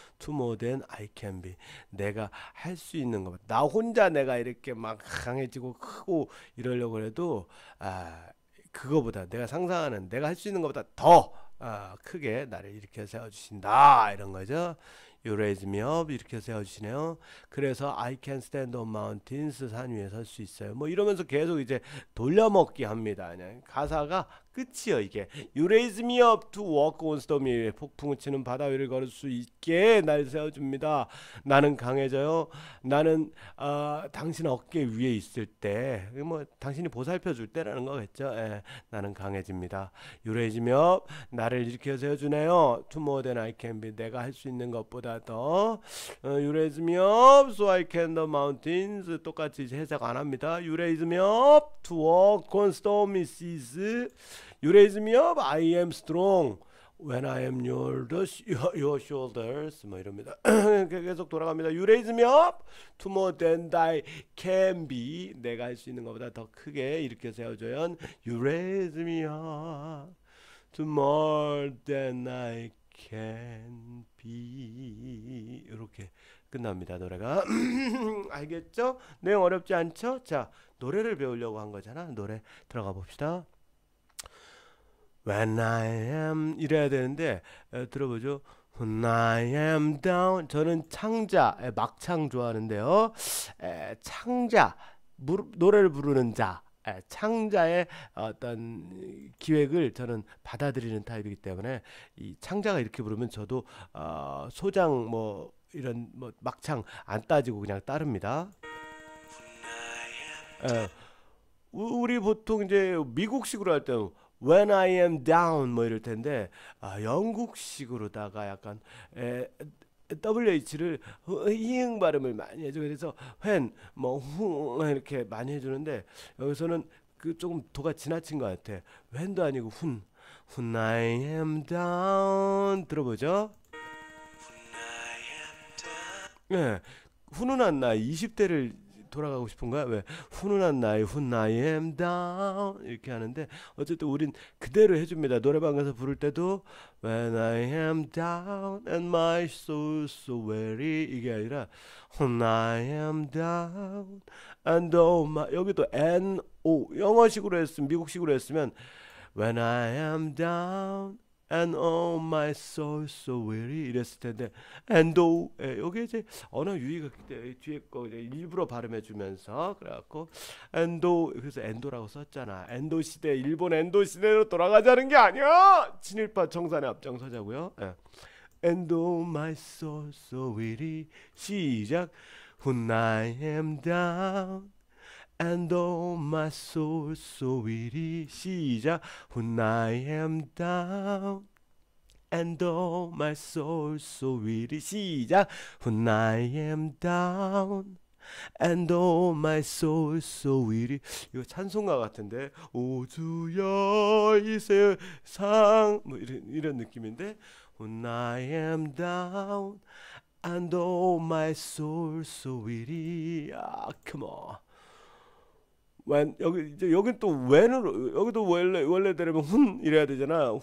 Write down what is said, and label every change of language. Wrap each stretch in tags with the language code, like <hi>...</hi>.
<en>To more than I can be.</en> <ko>내가 할수 있는 것. 나 혼자 내가 이렇게 막 강해지고 크고 이러려고 해도 그거보다 내가 상상하는 내가 할수 있는 것보다 더 크게 나를 일으켜 세워주신다. 이런 거죠?</ko> <en>You raise me up.</en> <ko>이렇게 세워주시네요.</ko> <en>그래서 I can stand on mountains.</en> <ko>산 위에 설수 있어요. 뭐 이러면서 계속 이제 돌려먹기 합니다. 그냥 가사가 끝이요, 이게.</ko> <en>You raise me up to walk on stormy.</en> <ko>폭풍을 치는 바다 위를 걸을 수 있게 날 세워줍니다. 나는 강해져요. 나는 당신 어깨 위에 있을 때, 뭐 당신이 보살펴 줄 때라는 거겠죠. 나는 강해집니다.</ko> <en>You raise me up.</en> <ko>나를 일으켜 세워주네요.</ko> <en>To more than I can be.</en> <ko>내가 할수 있는 것보다 더.</ko> <en>You raise me up so I can the mountains.</en> <ko>똑같이 이제 해석 안 합니다.</ko> <en>You raise me up to walk on stormy seas. You raise me up, I am strong. When I am your shoulders,</en> <ko>뭐 이럽니다. 계속 돌아갑니다.</ko> <en>You raise me up to more than I can be.</en> <ko>내가 할수 있는 것보다 더 크게 일으켜 세워줘요.</ko> <en>You raise me up to more than I can be.</en> <ko>이렇게 끝납니다, 노래가. 알겠죠? 내용 어렵지 않죠? 자, 노래를 배우려고 한 거잖아. 노래 들어가 봅시다.</ko> <en>When I am</en> <ko>이래야 되는데 들어보죠.</ko> <en>When I am down</en> <ko>저는 창자 막창 좋아하는데요. 창자 노래를 부르는 자 창자의 어떤 기획을 저는 받아들이는 타입이기 때문에 이 창자가 이렇게 부르면 저도 소장 뭐 이런 뭐 막창 안 따지고 그냥 따릅니다. 우리 보통 이제 미국식으로 할 때는</ko> <en>When I am down</en> <ko>뭐 이럴 텐데 영국식으로다가 약간 WH를 이응 발음을 많이 해줘. 그래서 when 뭐 훈 이렇게 많이 해주는데 여기서는 그 조금 도가 지나친 것 같아. When도 아니고 훈.</ko> <en>When I am down</en> <ko>들어보죠. 네, 훈훈한 나이 20대를 돌아가고 싶은 거야? 왜? 훈훈한 나이, 훈,</ko> <en>I am down</en> <ko>이렇게 하는데 어쨌든 우린 그대로 해줍니다. 노래방에서 부를 때도</ko> <en>When I am down and my soul so weary</en> <ko>이게 아니라 훈,</ko> <en>I am down and oh my</en> <ko>여기도 N, O 영어식으로 했으면 미국식으로 했으면 When I am down And oh my soul so weary 이랬을 텐데 And oh 여기 이제 언어 유의가 그때 뒤에 거 이제 일부러 발음해 주면서 그래갖고 And oh 그래서 엔도라고 썼잖아. 엔도 시대 일본 엔도 시대로 돌아가자는 게 아니야. 친일파 청산에 앞장서자고요.</ko> <en>And oh my soul so weary</en> <ko>시작</ko> <en>When I am down And oh my soul so weary 시작 When I am down</en> <ko>And oh my soul so weary 시작</ko> <en>When I am down And oh my soul so weary</en> <ko>이거 찬송가 같은데 오 주여 이 세상 뭐 이런 느낌인데 When I am down And oh my soul so weary 아</ko> <en>come on When,</en> <ko>여기 이제 여긴 또 when으로 여기도 원래 되려면 훈 이래야 되잖아.</ko>